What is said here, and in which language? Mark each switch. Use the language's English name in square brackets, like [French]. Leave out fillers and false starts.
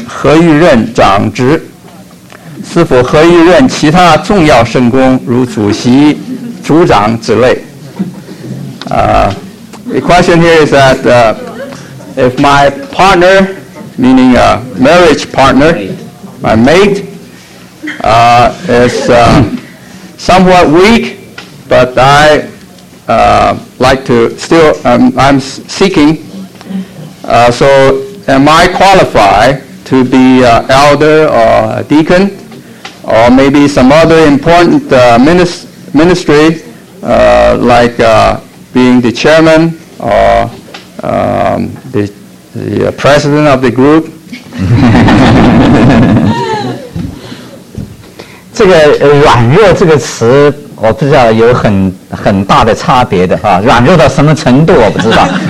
[Chinese] 合欲任长职？是否合欲任其他重要圣工，如主席、组长之类？ [English] The question here is that if my partner, meaning a marriage partner, my mate, is somewhat weak, but I like to still, I'm seeking, so am I qualified to be an elder or a deacon, or maybe some other important ministry, like being the chairman,or the president of the group. [Chinese] 这个软弱这个词我不知道有很大的差别的啊，软弱到什么程度我不知道。